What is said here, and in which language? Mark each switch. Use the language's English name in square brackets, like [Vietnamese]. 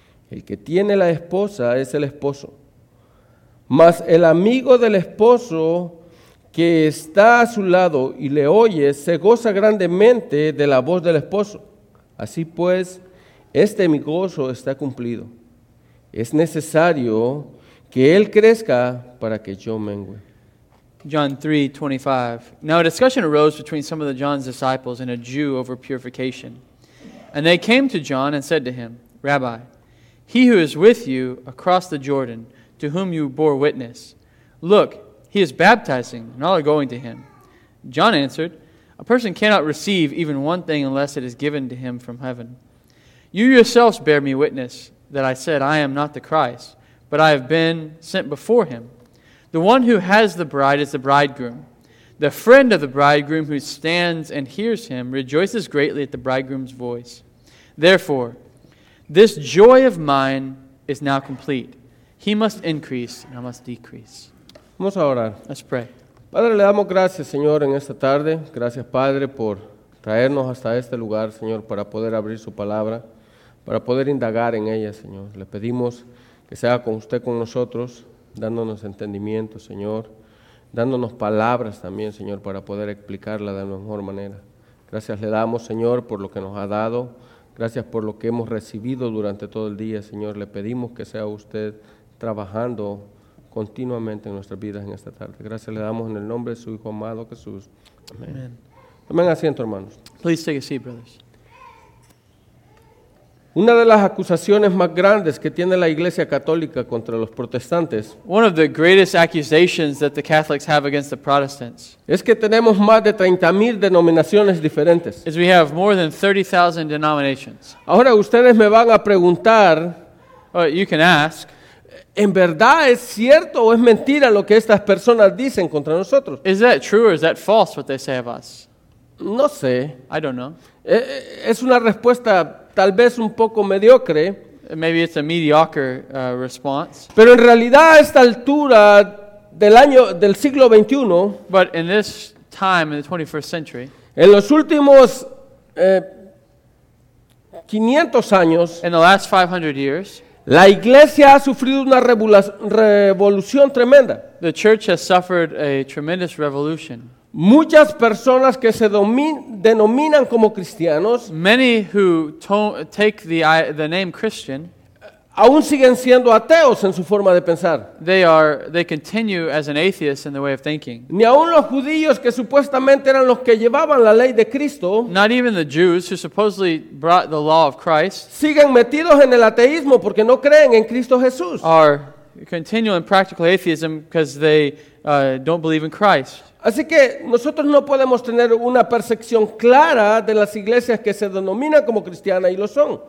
[Spanish] El que tiene la esposa es el esposo. Mas el amigo del esposo que está a su lado y le oye, se goza grandemente de la voz del esposo. Así pues, este mi gozo está cumplido. Es necesario que él crezca para que yo mengüe. [English] John 3:25. Now a discussion arose between some of John's disciples and a Jew over purification. And they came to John and said to him, Rabbi, he who is with you across the Jordan, to whom you bore witness, look, he is baptizing, and all are going to him. John answered, a person cannot receive even one thing unless it is given to him from heaven. You yourselves bear me witness that I said, I am not the Christ, but I have been sent before him. The one who has the bride is the bridegroom. The friend of the bridegroom who stands and hears him rejoices greatly at the bridegroom's voice. Therefore, this joy of mine is now complete. He must increase and I must decrease. [Spanish] Vamos a orar. [English] Let's pray. [Spanish] Padre, le damos gracias, Señor, en esta tarde. Gracias, Padre, por traernos hasta este lugar, Señor, para poder abrir su palabra, para poder indagar en ella, Señor. Le pedimos que sea con usted, con nosotros, dándonos entendimiento, Señor, dándonos palabras también, Señor, para poder explicarla de mejor manera. Gracias le damos, Señor, por lo que nos ha dado. Gracias por lo que hemos recibido durante todo el día, Señor. Le pedimos que sea usted trabajando continuamente en nuestras vidas en esta tarde. Gracias le damos en el nombre de su Hijo amado, Jesús. Amén. Tomen asiento, hermanos. [English] Please take a seat, brothers. [Spanish] Una de las acusaciones más grandes que tiene la Iglesia Católica contra los protestantes, [English] one of the greatest accusations that the Catholics have against the Protestants, [Spanish] es que tenemos más de 30,000 denominaciones diferentes. [English] Is we have more than 30,000 denominations. [Spanish] Ahora ustedes me van a preguntar, [English] or you can ask, [Spanish] ¿en verdad es cierto o es mentira lo que estas personas dicen contra nosotros? [English] Is that true or is that false what they say of us? [Spanish] No sé. [English] I don't know. [Spanish] Es una respuesta tal vez un poco mediocre. [English] Maybe it's a mediocre response. [Spanish] Pero en realidad a esta altura del siglo XXI, [English] but in this time, in the 21st century, [Spanish] en los últimos 500 años, [English] in the last 500 years, [Spanish] la iglesia ha sufrido una revolución tremenda. [English] The church has suffered a tremendous revolution. [Spanish] Muchas personas que se denominan como cristianos, [English] many who take the name Christian, [Spanish] aún siguen siendo ateos en su forma de pensar. [English] They continue as an atheist in the way of thinking. [Spanish] Ni aún los judíos que supuestamente eran los que llevaban la ley de Cristo, [English] not even the Jews who supposedly brought the law of Christ, [Spanish] siguen metidos en el ateísmo porque no creen en Cristo Jesús. [English] Are continual in practical atheism because they don't believe in Christ. [Spanish] Así que nosotros no podemos tener una percepción clara de las iglesias que se denominan como cristianas y lo son.